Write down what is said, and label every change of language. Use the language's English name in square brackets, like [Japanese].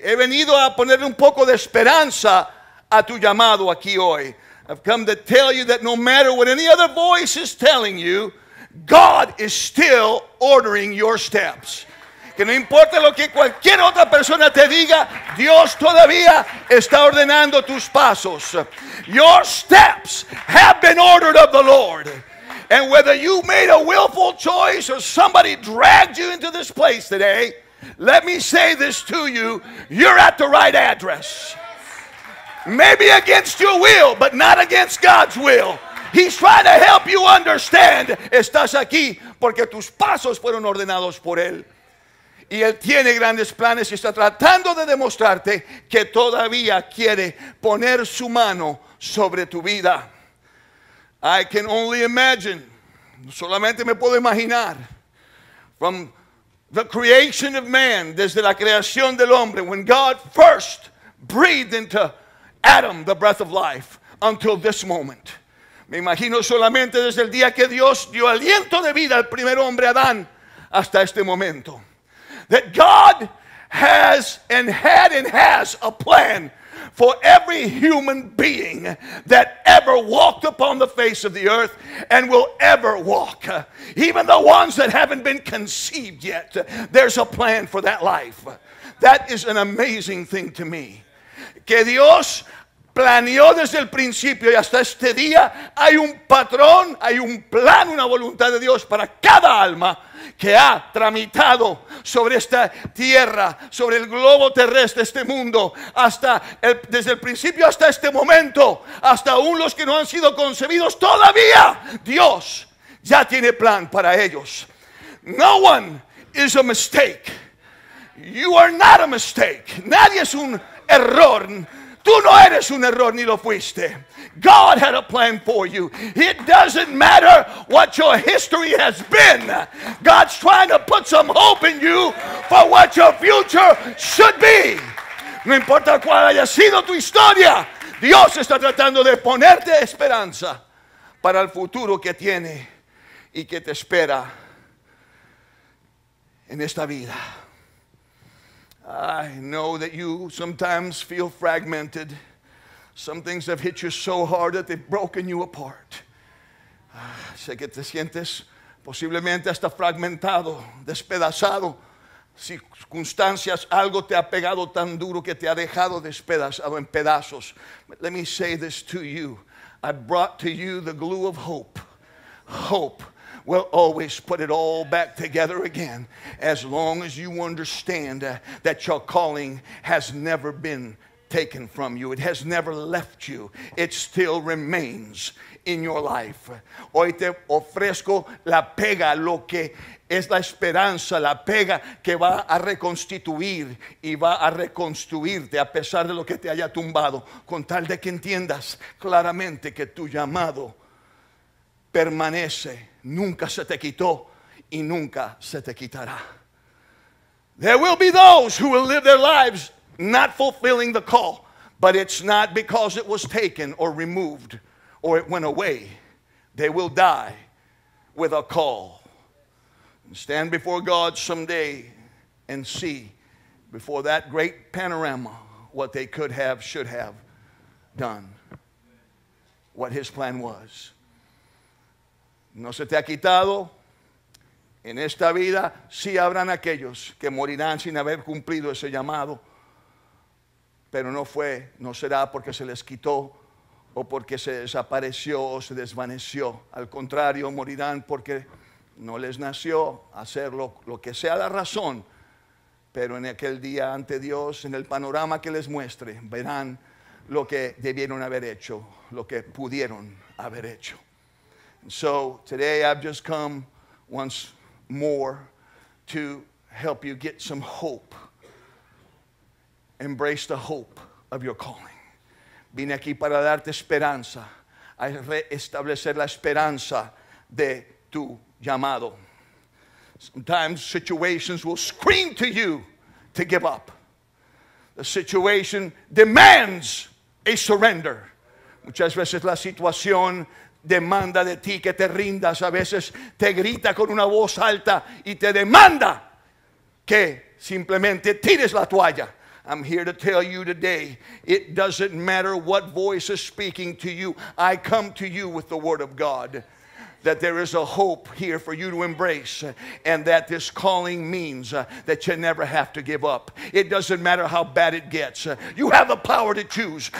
[Spanish] He venido a poner un poco de esperanza a tu llamado aquí hoy. [English] I've come to tell you that no matter what any other voice is telling you, God is still ordering your steps. [Spanish] Que no importa lo que cualquier otra persona te diga, Dios todavía está ordenando tus pasos. [English] Your steps have been ordered of the Lord. And whether you made a willful choice or somebody dragged you into this place today, let me say this to you, you're at the right address. Maybe against your will, but not against God's will. He's trying to help you understand. [Spanish] Estás aquí porque tus pasos fueron ordenados por Él. Y Él tiene grandes planes y está tratando de demostrarte que todavía quiere poner su mano sobre tu vida. [English] I can only imagine, [Spanish] solamente me puedo imaginar, [English] from the creation of man, [Spanish] desde la creación del hombre, [English] when God first breathed into Adam the breath of life, until this moment. [Spanish] Me imagino solamente desde el día que Dios dio aliento de vida al primer hombre, Adán, hasta este momento. [English] That God has and had and has a plan for every human being that ever walked upon the face of the earth and will ever walk. Even the ones that haven't been conceived yet, there's a plan for that life. That is an amazing thing to me. [Spanish] Que Dios planeó desde el principio y hasta este día hay un patrón, hay un plan, una voluntad de Dios para cada alma que ha tramitado sobre esta tierra, sobre el globo terrestre, este mundo, desde el principio hasta este momento, hasta aún los que no han sido concebidos, todavía Dios ya tiene plan para ellos. [English] No one is a mistake. You are not a mistake. [Spanish] Nadie es un error. Tú no eres un error ni lo fuiste. [English] God had a plan for you. It doesn't matter what your history has been. God's trying to put some hope in you for what your future should be. [Spanish] No importa cuál haya sido tu historia, Dios está tratando de ponerte esperanza para el futuro que tiene y que te espera en esta vida. [English] I know that you sometimes feel fragmented. Some things have hit you so hard that they've broken you apart. [Spanish] Sé que te sientes posiblemente hasta fragmentado, despedazado, circunstancias, algo te ha pegado tan duro que te ha dejado despedazado en pedazos. [English] Let me say this to you. I brought to you the glue of hope. Hope will always put it all back together again as long as you understand that your calling has never been taken from you. It has never left you. It still remains in your life. [Spanish] Hoy te ofrezco la pega, lo que es la esperanza, la pega que va a reconstituir y va a reconstruirte a pesar de lo que te haya tumbado, con tal de que entiendas claramente que tu llamado permanece, nunca se te quitó y nunca se te quitará. [English] There will be those who will live their lives not fulfilling the call, but it's not because it was taken or removed or it went away. They will die with a call. And stand before God someday and see before that great panorama what they could have, should have done, what his plan was. [Spanish] No se te ha quitado. En esta vida sí habrán aquellos que morirán sin haber cumplido ese llamado. Pero no fue, no será porque se les quitó o porque se desapareció o se desvaneció. Al contrario, morirán porque no les nació hacerlo, lo que sea la razón. Pero en aquel día ante Dios, en el panorama que les muestre, verán lo que debieron haber hecho, lo que pudieron haber hecho. [English] And so today I've just come once more to help you get some hope. Embrace the hope of your calling. [Spanish] Vine aquí para darte esperanza, a reestablecer la esperanza de tu llamado. [English] Sometimes situations will scream to you to give up. The situation demands a surrender. [Spanish] Muchas veces la situación demanda de ti que te rindas. A veces te grita con una voz alta y te demanda que simplemente tires la toalla. [English] I'm here to tell you today, it doesn't matter what voice is speaking to you. I come to you with the word of God that there is a hope here for you to embrace, and that this calling means that you never have to give up. It doesn't matter how bad it gets. You have the power to choose.